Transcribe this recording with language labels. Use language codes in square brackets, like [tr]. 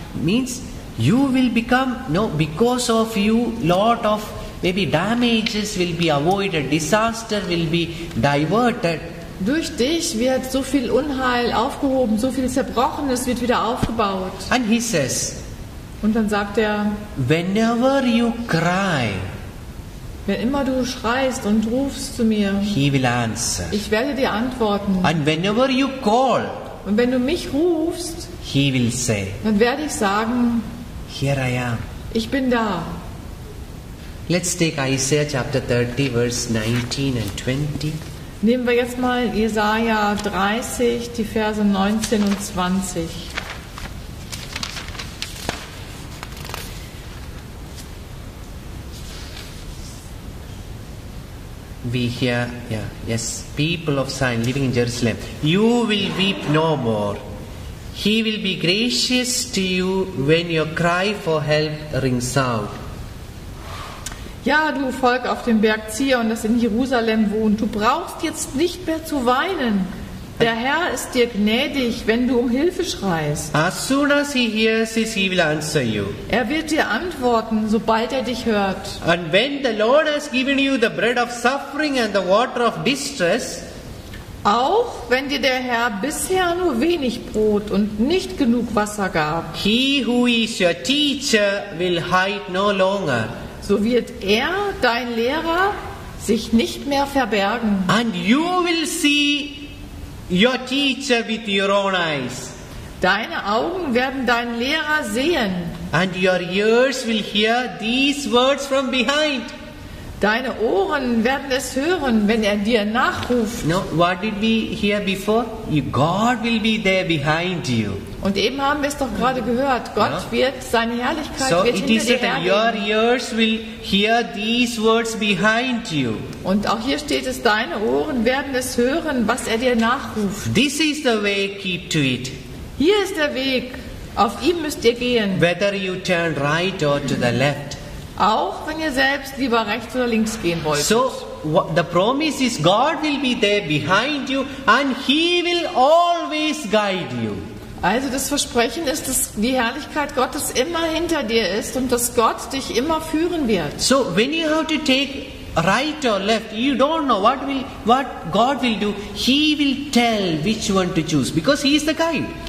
[en] Means you will become, no, because of you, lot of maybe damages will be avoided, disaster will be diverted. [de] Durch dich wird so viel Unheil aufgehoben, so viel Zerbrochenes wird wieder aufgebaut. [en] And he says, [de] und dann sagt er, [en] whenever you cry, [de] wenn immer du schreist und rufst zu mir, [en] he will answer. [de] Ich werde dir antworten. [en] And whenever you call, [de] und wenn du mich rufst, [en] he will say, [de] dann werde ich sagen, [en] here I am. [de] Ich bin da. [en] Let's take Isaiah chapter 30, verse 19 and 20. [de] Nehmen wir jetzt mal Jesaja 30, die Verse 19 und 20. [en] We hear, yeah, yes, people of Zion living in Jerusalem, you will weep no more. He will be gracious to you when your cry for help rings out. [de] Ja, du Volk auf dem Berg Zion, das in Jerusalem wohnt, du brauchst jetzt nicht mehr zu weinen. Der Herr ist dir gnädig, wenn du um Hilfe schreist. [en] As soon as he hears this, he will answer you. [de] Er wird dir antworten, sobald er dich hört. [en] And when the Lord has given you the bread of suffering and the water of distress, [de] auch wenn dir der Herr bisher nur wenig Brot und nicht genug Wasser gab, [en] he who is your teacher will hide no longer. [de] So wird er, dein Lehrer, sich nicht mehr verbergen. [en] And you will see your teacher with your own eyes. [de] Deine Augen werden deinen Lehrer sehen. [en] And your ears will hear these words from behind. [de] Deine Ohren werden es hören, wenn er dir nachruft. [en] No, what did we hear before? God will be there behind you. [de] Und eben haben wir es doch gerade gehört. Gott wird seine Herrlichkeit so wird hinter dir herleben. [en] Your ears will hear these words behind you. [de] Und auch hier steht es, deine Ohren werden es hören, was er dir nachruft. [en] This is the way, keep to it. [de] Hier ist der Weg, auf ihm müsst ihr gehen. [en] Whether you turn right or to the left. [de] Auch wenn ihr selbst lieber rechts oder links gehen wollt. [en] So, the promise is God will be there behind you and he will always guide you. [de] Also das Versprechen ist, dass die Herrlichkeit Gottes immer hinter dir ist und dass Gott dich immer führen wird. [en] So, when you have to take right or left, you don't know what God will do. He will tell which one to choose because he is the guide.